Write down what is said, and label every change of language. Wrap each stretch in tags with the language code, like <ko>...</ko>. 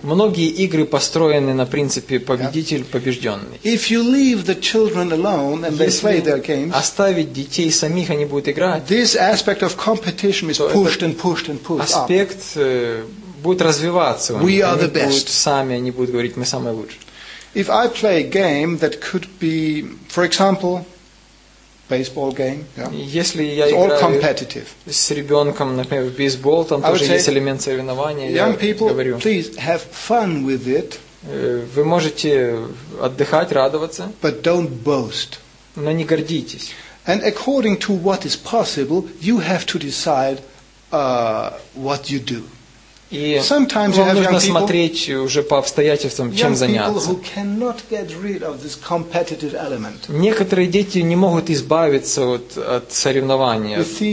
<ru>Многие игры построены на принципе победитель, побежденный.</ru> <en>If you leave the children alone and they play their games,</en> <ru>оставить детей самих, они будут играть.</ru> <en>This aspect of competition is pushed and pushed and pushed.</en> <ru>Аспект будет развиваться.</ru> <en>We are the best.</en> <ru>Сами они будут говорить, мы самые лучшие.</ru> <en>If I play a game that could be, for example, baseball game. Yeah.</en> <ru>Если я</ru> <en>it's all</en> <ru>играю</ru> <en>competitive.</en> <ru>С ребенком, например, в бейсбол, там</ru> <en>I</en> <ru>тоже есть элемент соревнования.</ru> <en>Young</en> <ru>я</ru> <en>people,</en> <ru>говорю,</ru> <en>please have fun with it.</en> <ru>Вы можете отдыхать, радоваться.</ru> <en>But don't boast.</en> <ru>Но не гордитесь.</ru> <en>And according to what is possible, you have to decide what you do.</en> <ru>И</ru> <en>sometimes</en> <ru>вам нужно смотреть уже по обстоятельствам, чем заняться. Некоторые дети не могут избавиться от соревнования.</ru>